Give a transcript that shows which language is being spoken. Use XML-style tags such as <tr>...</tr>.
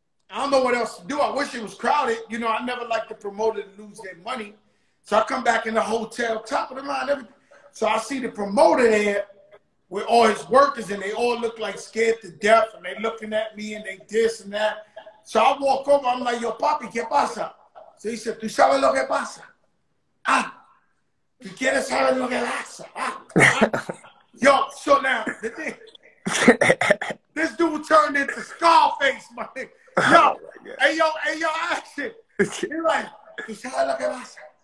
<en>I don't know what else to do. I wish it was crowded. You know, I never like the promoter to lose their money. So I come back in the hotel, top of the line, everything. So I see the promoter there with all his workers, and they all look like scared to death, and they looking at me, and they this and that. So I walk over, I'm like, yo,</en> <es>papi, ¿qué pasa?</es> <en>So he said,</en> <es>¿tú sabes lo que pasa? Ah, ¿tú quieres saber lo que pasa? Ah.</es> <en>Yo, so now, this dude turned into Scarface, my nigga. Yo, hey, yo, action. You're like,</en> <es>¿tú sabes lo que pasa?</es>